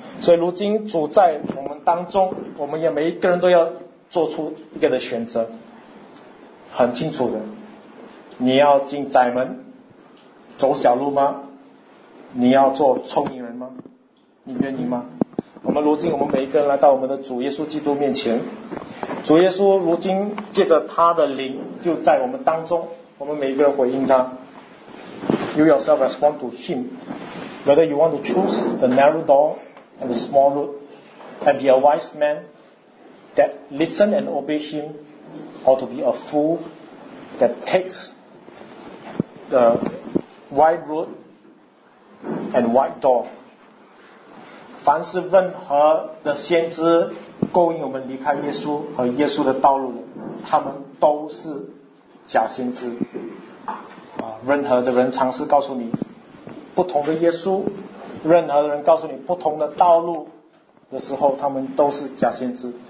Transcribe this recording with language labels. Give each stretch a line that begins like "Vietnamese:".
Chinese: 所以如今主在我们当中，我们也每一个人都要做出一个的选择，很清楚的，你要进窄门走小路吗？你要做聪明人吗？你愿意吗？我们如今我们每一个人来到我们的主耶稣基督面前，主耶稣如今借着他的灵就在我们当中，我们每一个人回应他。
English: You yourself respond to him, whether you want to choose the narrow door and the small road and be a wise man that listen and obey him, or to be a fool that takes the wide road and wide door。
Chinese: 凡是任何的先知勾引我们离开耶稣和耶稣的道路的，他们都是假先知啊！任何的人尝试告诉你不同的耶稣，任何的人告诉你不同的道路的时候，他们都是假先知。